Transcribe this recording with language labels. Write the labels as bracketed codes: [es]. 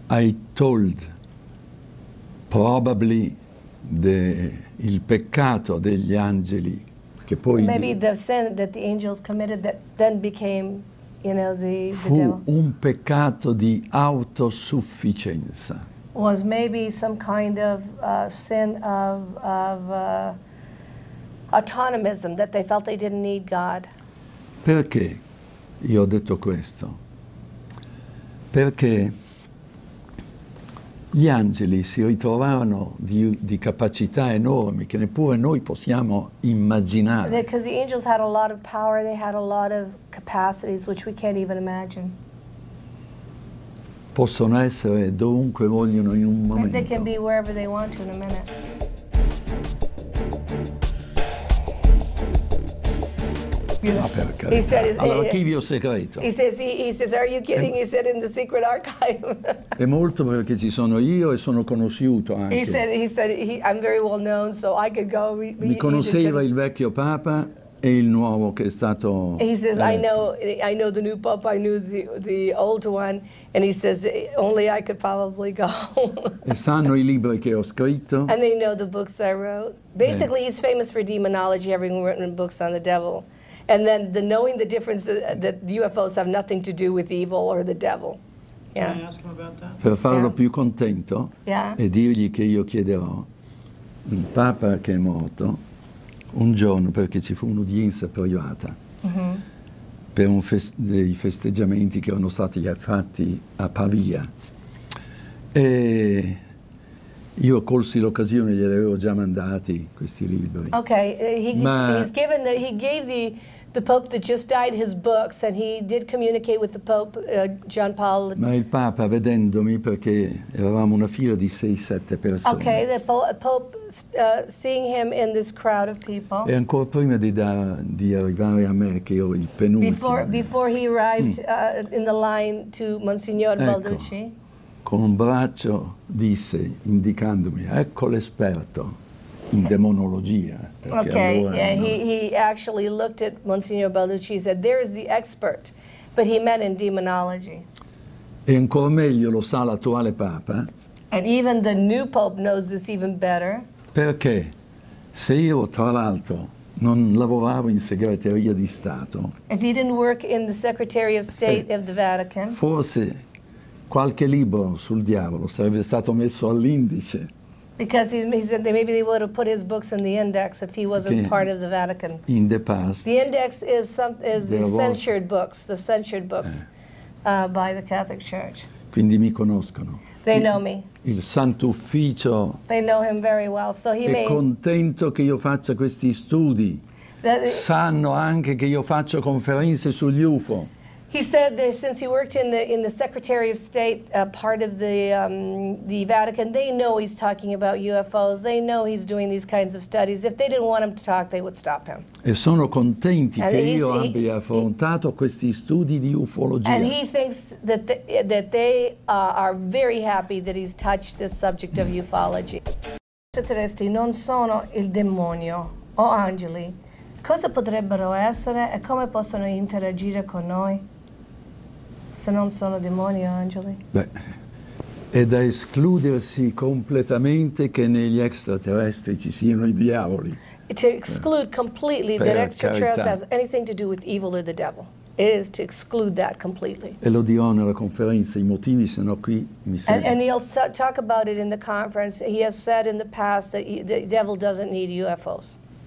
[en] I told probably [it] il peccato degli angeli che poi. [en] Maybe the sin that the angels committed that then became, you know, the devil. [it] Fu un peccato di autosufficienza. [en] Was maybe some kind of sin of. Autonomism, that they felt they didn't need God. [it] Perché io ho detto questo? Perché gli angeli si ritrovarono di capacità enormi che neppure noi possiamo immaginare. [en] Because the angels had a lot of power, they had a lot of capacities which we can't even imagine. [it] Possono essere dovunque vogliono in un momento. [en] They can be wherever they want to in a minute. He said, [it] all'archivio segreto. [en] He says, are you kidding? He said, in the secret archive. [it] È molto perché ci sono io e sono conosciuto anche. [en] He said, I'm very well known, so I could go. [it] Mi conosceva il vecchio Papa e il nuovo che è stato. [en] He says, eletto. I know the new pope. I knew the old one, and he says only I could probably go. [it] E sanno i libri che ho scritto. [en] And they know the books I wrote. Basically, he's famous for demonology, having written books on the devil, and then the knowing the difference that the UFOs have nothing to do with evil or the devil. Yeah. Can I ask him about that? [it] Per farlo più contento. [en] Yeah. [it] E dirgli che io chiederò il papa che è morto. Un giorno, perché ci fu un'udienza privata per dei festeggiamenti che erano stati fatti a Pavia, e io colsi l'occasione, gli avevo già mandati questi libri. [en] Ok, he gave the Pope that just died his books, and he did communicate with the Pope, John Paul. [it] Ma il Papa, vedendomi, perché eravamo una fila di 6-7 persone. [en] Okay, the Pope, seeing him in this crowd of people. [it] E ancora prima di arrivare a me, che ero il penultimo. [en] Before he arrived in the line to Monsignor Balducci. [it] Con un braccio disse, indicandomi, ecco l'esperto. In demonologia. [en] Okay, he actually looked at Monsignor Balducci and said, there is the expert, but he meant in demonology. [it] E ancora meglio lo sa l'attuale Papa. [en] And even the new Pope knows this even better. [it] Perché se io, tra l'altro, non lavoravo in segreteria di Stato. [en] If he didn't work in the Secretary of State of the Vatican. [it] Forse qualche libro sul diavolo sarebbe stato messo all'indice. [en] Because he said that maybe they would have put his books in the index if he wasn't part of the Vatican. In the past. The index is the censured books by the Catholic Church. [it] Quindi mi conoscono. [en] They know me. [it] Il Santo Ufficio. [en] They know him very well. So he [it] è contento che io faccia questi studi. Sanno anche che io faccio conferenze sugli UFO. [en] He said that since he worked in the Secretary of State part of the Vatican, they know he's talking about UFOs. They know he's doing these kinds of studies. If they didn't want him to talk, they would stop him. [it] E sono contenti che io abbia affrontato questi studi di ufologia. [en] And he thinks that they are very happy that he's touched this subject of ufology. [it] Extraterrestri non sono il demonio o angeli. Cosa potrebbero essere e come possono interagire con noi? Se non sono demoni o angeli. Beh, è da escludersi completamente che negli extraterrestri ci siano i diavoli. [en] To exclude completely that extraterrestrials have anything to do with evil or the devil. It is to exclude that completely. [it] E lo dirò nella conferenza, i motivi sono qui, mi sembra. [en] And he'll talk about it in the conference. He has said in the past that the devil doesn't need UFOs.